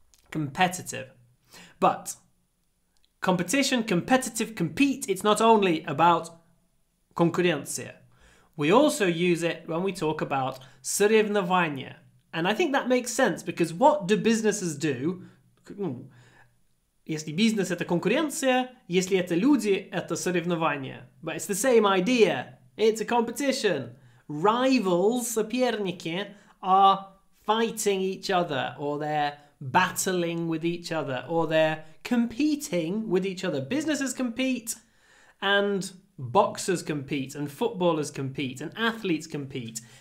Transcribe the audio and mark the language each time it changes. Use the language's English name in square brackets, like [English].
[English] Competitive. But competition, competitive, compete, it's not only about конкуренция. We also use it when we talk about соревнования. And I think that makes sense because what do businesses do? [Russian] Если бизнес это конкуренция, если это люди это соревнования. [English] But it's the same idea. It's a competition. Rivals, соперники, are fighting each other or they're battling with each other, or they're competing with each other. Businesses compete, and boxers compete, and footballers compete, and athletes compete.